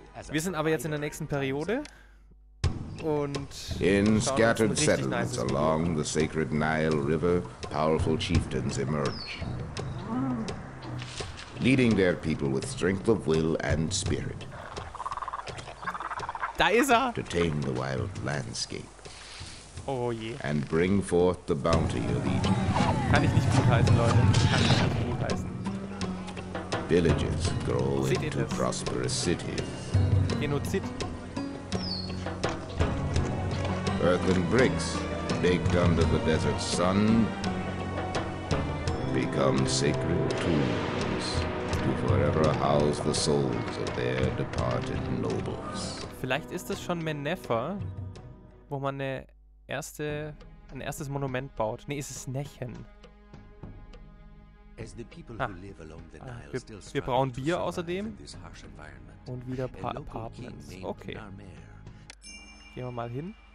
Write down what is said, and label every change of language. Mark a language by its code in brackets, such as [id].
[de] Wir sind aber jetzt in der nächsten Periode. Und [en] in scattered settlements along the sacred Nile River, powerful chieftains emerge. Leading their people with strength of will and spirit. [de] Da ist er! [en] To tame the wild landscape. [de] Oh je. [en] And bring forth the bounty of Eden. [de] Kann ich nicht gut heißen, Leute. Kann ich nicht gut heißen. [en] Villages grow into prosperous cities. [de] Genozid. [en] Earthen bricks baked under the desert sun become sacred tombs to forever house the souls of their departed nobles. [de] Vielleicht ist das schon Menefer, wo man ein erstes Monument baut. Nee, ist es Nechen. Wir brauen Bier außerdem und wieder Apartments. Okay. Gehen wir mal hin.